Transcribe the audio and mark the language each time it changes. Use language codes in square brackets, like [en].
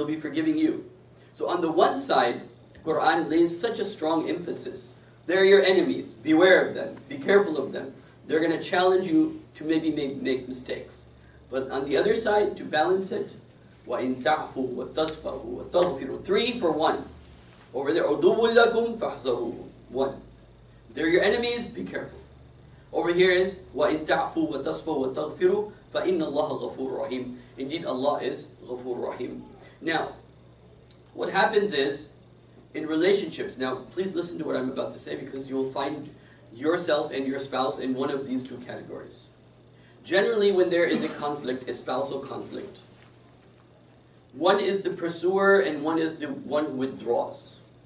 [en] He'll be forgiving you. So on the one side, Quran lays such a strong emphasis. They're your enemies. Beware of them. Be careful of them. They're gonna challenge you to maybe make mistakes. But on the other side, to balance it, [ar] وَإِن تَعْفُوا وَتَصْفَحُوا وَتَغْفِرُوا, [en] three for one. Over there, [ar] عُدُوٌّ لَكُمْ فَاحْذَرُوهُمْ, [en] one. They're your enemies, be careful. [ar] Over here is, وَإِن تَعْفُوا وَتَصْفَحُوا وَتَغْفِرُوا فَإِنَّ اللَّهَ غَفُورٌ رَحِيمٌ. [en] Indeed, Allah is [ar] غَفُورٌ رَحِيمٌ. [en] Now, what happens is, in relationships, now please listen to what I'm about to say because you will find yourself and your spouse in one of these two categories. Generally, when there is a conflict, a spousal conflict, one is the pursuer and one is the one who withdraws.